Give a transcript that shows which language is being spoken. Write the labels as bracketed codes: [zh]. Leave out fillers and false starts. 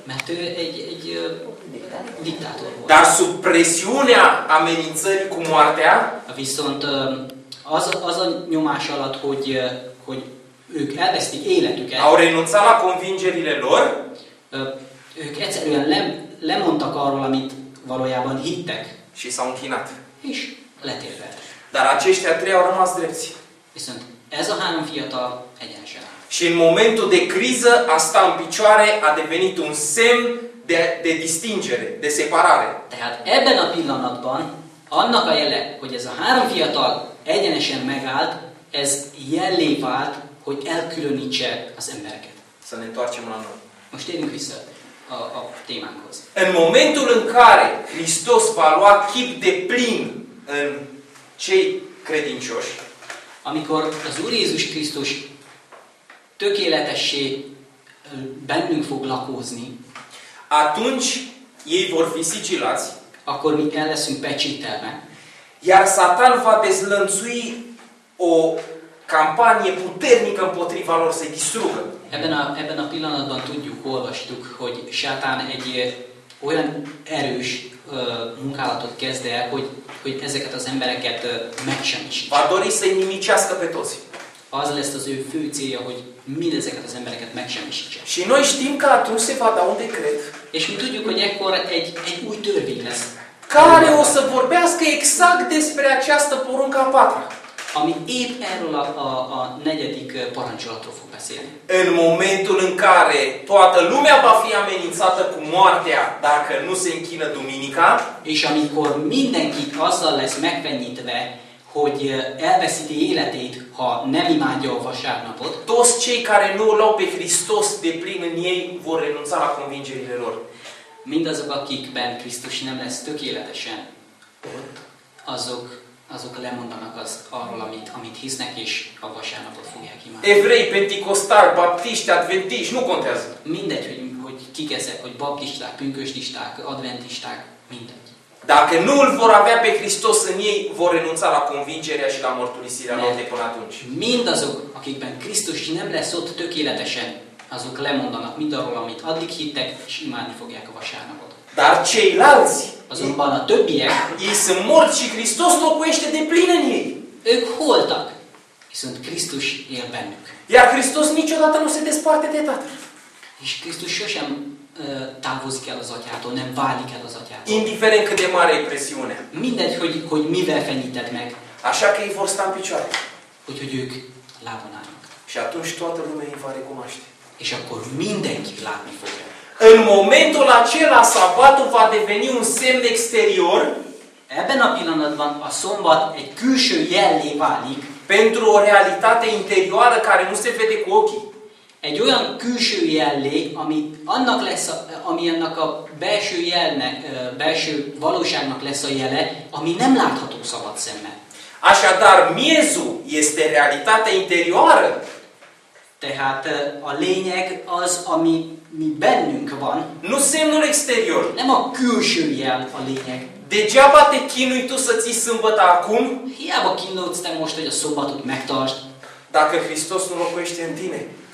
[hu] Mert ő egy diktátor volt. [ro] Dar sub presiunea amenințării cu moartea, [hu] viszont az a nyomás alatt, hogy ők elvesztik életüket, [ro] au renunțat la convingerile lor, [hu] ők egyszerűen lemondtak arról, amit valójában hittek. [ro] Și s-au închinat. [hu] És letérve. [ro] Dar aceștia trei au rămas drepți. [hu] Viszont ez a három fiatal egyenesen. [ro] Și în momentul de criză, a sta în picioare a devenit un semn de distingere, de separare. [hu] Tehát ebben a pillanatban annak a jele, hogy ez a három fiatal egyenesen megállt, ez jellé vált, hogy elkülönítse az embereket. [ro] Să ne întoarcem la noi. [hu] Most térjünk vissza a témánkhoz. [ro] În momentul în care Hristos va lua chip de plin în cei credincioși, [hu] amikor az Úr Jézus Krisztus tökéletessé bennünk fog lakózni, [ro] atunci ei vor fi sigilați, [hu] akkor mi el leszünk pecsételve, [ro] iar Satan va dezlănțui o campanie puternică împotriva lor să-i distrugă. [hu] Ebben a pillanatban tudjuk, olvastuk, hogy Sátán egy olyan erős munkálatot kezd el, hogy ezeket az embereket megsemmisítse. [ro] Va dori să-i nimicească pe toți. [hu] Az lesz az ő fő célja, hogy mindezeket az embereket megsemmisítse. [ro] Și noi știm că atunci se va da un decret. [hu] És mi tudjuk, hogy ekkor egy új törvény lesz. [ro] Care o să vorbească exact despre această porunca a patra. [hu] Ami épp erről a negyedik parancsolatról fog beszélni. [ro] În momentul în care toată lumea va fi amenințată cu moartea dacă nu se închină duminica, [hu] és amikor mindenki azzal lesz megpenyítve, hogy elveszíti életét, ha nem imádja a vasárnapot. [ro] Toți cei care nu l-au pe Hristos de plin în ei vor renunța la convingerile lor. [hu] Mindazok, akikben Krisztus nem lesz tökéletesen, azok lemondanak az arról, amit hisznek, és a vasárnapot fogják imádni. [ro] Evrei, pentikosztár, baptisti, adventisti, nu contează. [hu] Mindegy, hogy kik ezek, hogy baptisták, pünkösdisták, adventisták, mindegy. [ro] Dacă nu îl vor avea pe Hristos în ei, vor renunța la convingerea și la mărturisirea lor de până atunci. [hu] Mindazok, akikben Krisztus nem lesz ott tökéletesen, azok lemondanak mindarról, amit addig hittek, és imádni fogják a vasárnapot. [ro] Dar ceilalți, [hu] azonban a többiek, [ro] ei sunt morți și Hristos locuiește de plin în ei. [hu] Ők holtak, viszont Krisztus él bennük. [ro] Iar Hristos niciodată nu se desparte de Tatăl. [hu] És Krisztus sosem távozik el az atyától, nem válik el az atyától. [ro] Indiferent cât de mare e presiune. [hu] Mindegy, hogy mivel fenyített meg. [ro] Așa că ei vor sta în picioare. [hu] Úgyhogy ők lábon állnak. [ro] Și atunci toată lumea îi va recunoaște. [hu] És akkor mindenki látni fogja. [ro] În momentul acela, sabatul va deveni un semn exterior. [hu] Ebben a pillanatban a szombat egy külső jellé válik. [ro] Pentru o realitate interioară care nu se vede cu ochii. [hu] Egy olyan külső jellé, ami annak a belső jelnek, belső valóságnak lesz a jele, ami nem látható szabad szemmel. [ro] Așadar, miezul este realitatea interioară. [hu] Tehát a lényeg az, ami mi bennünk van. [ro] Nu semnul exterior. [hu] Nem a külső jel a lényeg. [ro] Degeaba te chinui tu să ții sâmbăta acum. [hu] Hiába kínlódsz te most, hogy a szombatot megtartsd. [ro] Dacă Hristos nu locuiește în tine.